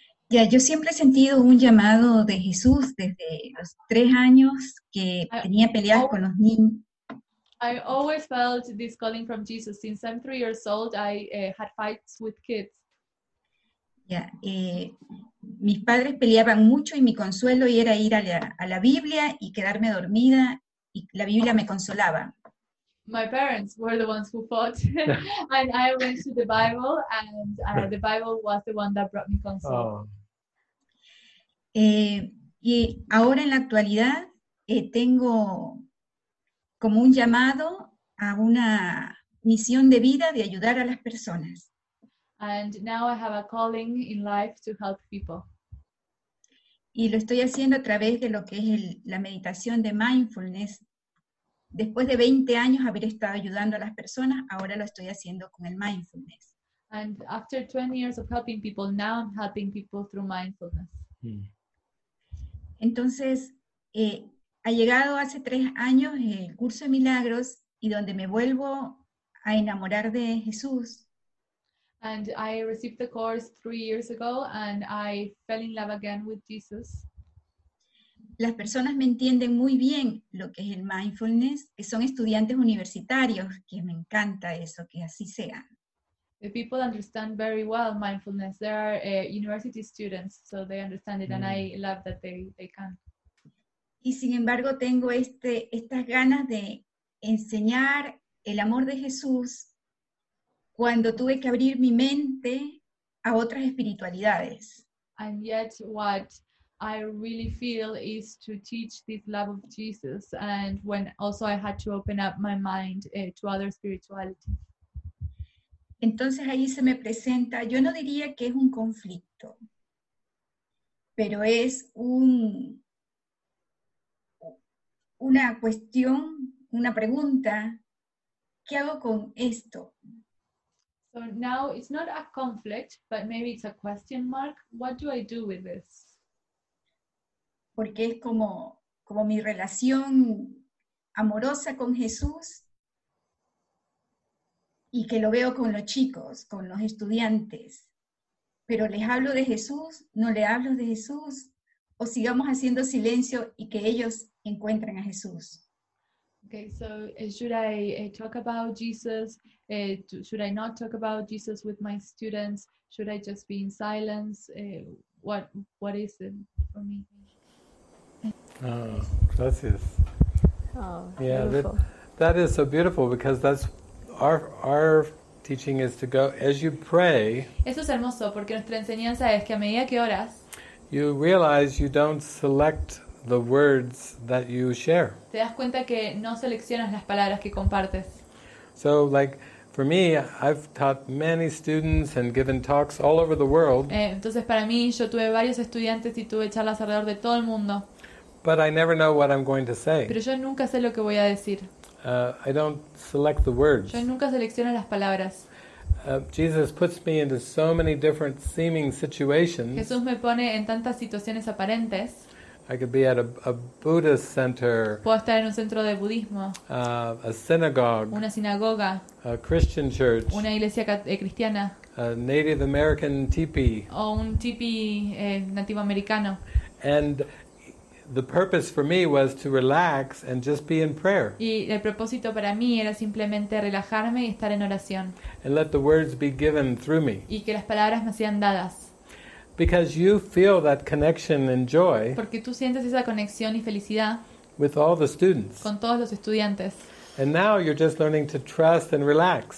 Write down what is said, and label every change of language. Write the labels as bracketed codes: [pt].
[es] Yeah, yo siempre he sentido un llamado de Jesús desde los 3 años que tenía peleas con los niños. [en] I always felt this calling from Jesus. Since I'm 3 years old, I had fights with kids. [es] Yeah, mis padres peleaban mucho y mi consuelo era ir a la Biblia y quedarme dormida y la Biblia me consolaba. [en] My parents were the ones who fought, and I went to the Bible, and the Bible was the one that brought me consolation. Oh. [es] Y ahora en la actualidad tengo como un llamado a una misión de vida de ayudar a las personas. [en] And now I have a calling in life to help people. [es] Y lo estoy haciendo a través de lo que es la meditación de mindfulness. Después de 20 años haber estado ayudando a las personas, ahora lo estoy haciendo con el mindfulness. [en] And after 20 years of helping people, now I'm helping people through mindfulness. Hmm. [es] Entonces, ha llegado hace 3 años el curso de milagros y donde me vuelvo a enamorar de Jesús. [en] And I received the course 3 years ago and I fell in love again with Jesus. [es] Las personas me entienden muy bien lo que es el mindfulness, que son estudiantes universitarios, que me encanta eso, que así sea. [en] The people understand very well mindfulness. They are university students, so they understand it, and I love that they can. [es] Y sin embargo, tengo estas ganas de enseñar el amor de Jesús cuando tuve que abrir mi mente a otras espiritualidades. [en] And yet what I really feel is to teach this love of Jesus and when also I had to open up my mind to other spirituality. [es] Entonces ahí se me presenta, yo no diría que es un conflicto, pero es una cuestión, una pregunta, ¿qué hago con esto? [en] So now it's not a conflict, but maybe it's a question mark. What do I do with this? [es] Porque es como como mi relación amorosa con Jesús y que lo veo con los chicos, con los estudiantes. Pero les hablo de Jesús, no le hablo de Jesús, o sigamos haciendo silencio y que ellos encuentren a Jesús. [en] Okay, so should I talk about Jesus? Should I not talk about Jesus with my students? Should I just be in silence? What is it for me? [es] Oh, gracias. [en] Oh, yeah, that is so beautiful because that's our teaching is to go as you pray. [es] Eso es hermoso porque nuestra enseñanza es que a medida que oras, [en] you realize you don't select the words that you share. [es] Te das cuenta que no seleccionas las palabras que compartes. [en] So, like for me, I've taught many students and given talks all over the world. [es] Entonces para mí, yo tuve varios estudiantes y tuve charlas alrededor de todo el mundo. [en] But I never know what I'm going to say. [es] Pero yo nunca sé lo que voy a decir. [en] I don't select the words. [es] Yo nunca selecciono las palabras. [en] Jesus puts me into so many different seeming situations. [es] Jesús me pone en tantas situaciones aparentes. [en] I could be at a Buddhist center. [es] Puedo estar en un centro de budismo. [en] A synagogue. [es] Una sinagoga. [en] A Christian church. [es] Una iglesia cristiana. [en] A Native American teepee. [es] O un teepee nativo americano. [en] And the purpose for me was to relax and just be in prayer. [es] Y el propósito para mí era simplemente relajarme y estar en oración. [en] And let the words be given through me. [es] Y que las palabras me sean dadas. [en] Because you feel that connection and joy. [es] Porque tú sientes esa conexión y felicidad. [en] With all the students. [es] Con todos los estudiantes. [en] And now you're just learning to trust and relax.